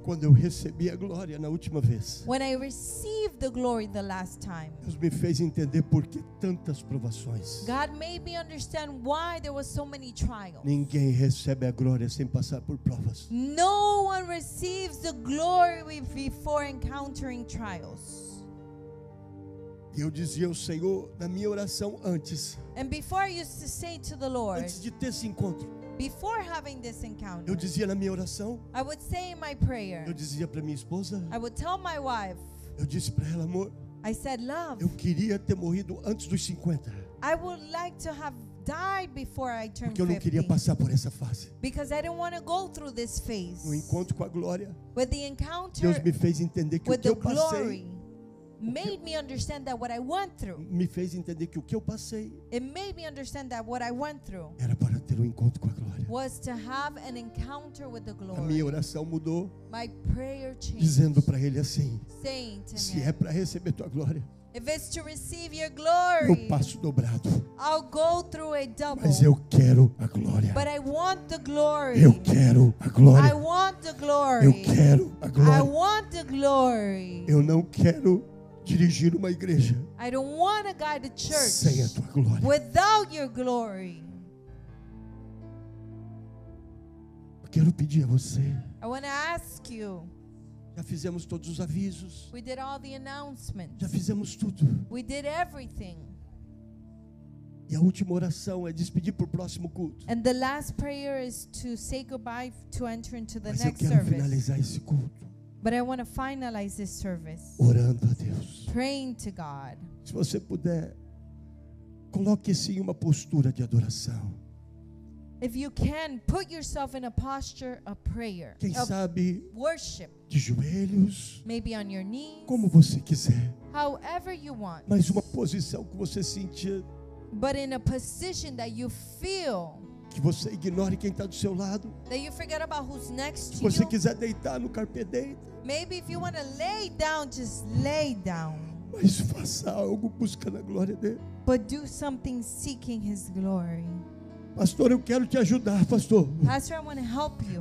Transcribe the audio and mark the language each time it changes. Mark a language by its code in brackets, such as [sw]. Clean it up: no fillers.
[pt] Quando eu recebi a glória na última vez. [en] When I received the glory the last time. [pt] Deus me fez entender por que tantas provações. [en] God made me understand why there was so many trials. [pt] Ninguém recebe a glória sem passar por provas. [en] No one receives the glory before encountering trials. [pt] E eu dizia ao Senhor na minha oração antes. [en] And before I used to say to the Lord. [pt] Antes de ter esse encontro. [en] Before having this encounter, [pt] eu dizia na minha oração, [en] I would say in my prayer, [pt] eu dizia pra minha esposa, [en] I would tell my wife, [pt] eu disse pra ela, amor, [en] I said, love, [pt] eu queria ter morrido antes dos 50. [en] I would like to have died before I turn 50. [pt] Porque eu não queria passar por essa fase. [en] Because I didn't want to go through this phase. [pt] No encontro com a glória. [en] With the encounter. [pt] Deus me fez entender que o que eu passei. [en] Made me understand that what I went through. [pt] Me fez entender que o que eu passei. [en] It made me understand that what I went through. [pt] Era para ter um encontro com a glória. [en] Was to have an encounter with the glory. [pt] A minha oração mudou. [en] My prayer changed. [pt] Dizendo para ele assim. [en] Saying to him. [pt] Se é para receber tua glória. [en] If it's to receive your glory, [pt] eu passo dobrado. [en] I'll go through a double. [pt] Mas eu quero a glória. [en] But I want the glory. [pt] Eu quero a glória. [en] I want the glory. [pt] Eu quero a glória. [en] I want the glory. [pt] Eu não quero dirigir uma igreja. [en] I don't want to guide a church. [pt] Sem a tua glória. [en] Without your glory. [pt] Eu quero pedir a você. [en] I want to ask you. [pt] Já fizemos todos os avisos. [en] We did all the announcements. [pt] Já fizemos tudo. [en] We did everything. [pt] E a última oração é despedir para o próximo culto. [en] And the last prayer is to say goodbye to enter into the next service. [pt] Mas eu quero finalizar esse culto. [en] But I want to finalize this service. [pt] Orando a Deus. [en] Praying to God. [pt] Se você puder, coloque-se em uma postura de adoração. [en] If you can, put yourself in a posture of prayer. [pt] Quem sabe, [en] worship. [pt] De joelhos. [en] Maybe on your knees. [pt] Como você quiser. [en] However you want. [pt] Mas uma posição que você sentir. [en] But in a position that you feel. [pt] Que você ignore quem está do seu lado. [en] That you forget about who's next to you. [pt] Se você quiser deitar no carpete, deita. [en] Maybe if you want to lay down, just lay down. [pt] Mas faça algo buscando a glória dele. [en] But do something seeking his glory. [pt] Pastor, eu quero te ajudar, pastor. [en] Pastor, I want to help you.